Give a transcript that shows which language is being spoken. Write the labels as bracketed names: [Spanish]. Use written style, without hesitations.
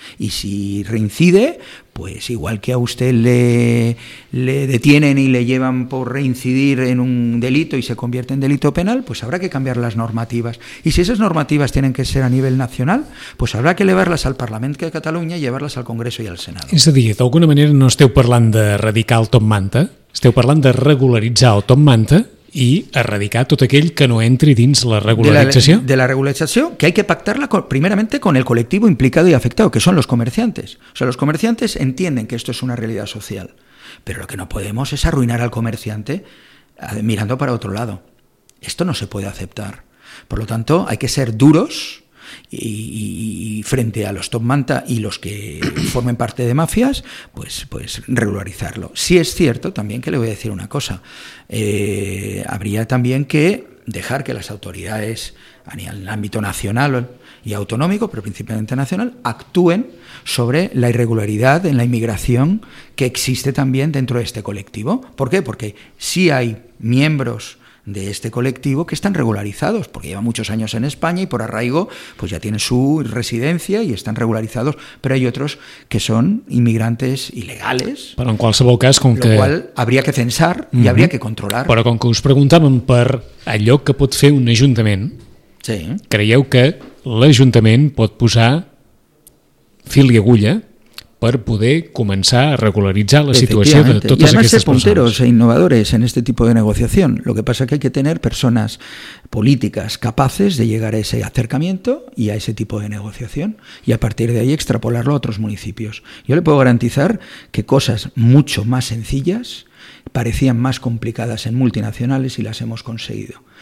[Spanish] Y si reincide, pues igual que a usted le detienen y le llevan por reincidir en un delito y se convierte en delito penal, pues habrá que cambiar las normativas. Y si esas normativas tienen que ser a nivel nacional, pues habrá que elevarlas al Parlamento de Cataluña y llevarlas al Congreso y al Senado. [Catalan] És a dir, d'alguna manera no esteu parlant de erradicar el Top Manta? Esteu parlant de regularitzar el Top Manta i erradicar tot aquell que no entri dins la regularització? De la regularització, [Spanish] que hay que pactarla primeramente con el colectivo implicado y afectado, que son los comerciantes. O sea, los comerciantes entienden que esto es una realidad social, pero lo que no podemos es arruinar al comerciante mirando para otro lado. Esto no se puede aceptar. Por lo tanto, hay que ser duros y frente a los Top Manta y los que formen parte de mafias, pues regularizarlo. Sí es cierto también que le voy a decir una cosa. Habría también que dejar que las autoridades a nivel ámbito nacional y autonómico, pero principalmente nacional, actúen sobre la irregularidad en la inmigración que existe también dentro de este colectivo. ¿Por qué? Porque sí hay miembros de este colectivo que están regularizados porque llevan muchos años en España y por arraigo pues ya tienen su residencia y están regularizados, pero hay otros que son inmigrantes ilegales, [Catalan] però en qualsevol cas, com que... [Spanish] lo cual habría que censar y habría que controlar. [Catalan] Però com que us preguntàvem per allò que pot fer un ajuntament, [Spanish] sí. [Catalan] Creieu que l'ajuntament pot posar fil i agulla per poder començar a regularitzar la situació de totes aquestes persones. [Spanish] I además ser punteros e innovadores en este tipo de negociación. Lo que pasa es que hay que tener personas políticas capaces de llegar a ese acercamiento y a ese tipo de negociación y a partir de ahí extrapolarlo a otros municipios. Yo le puedo garantizar que cosas mucho más sencillas parecían más complicadas en multinacionales y las hemos conseguido.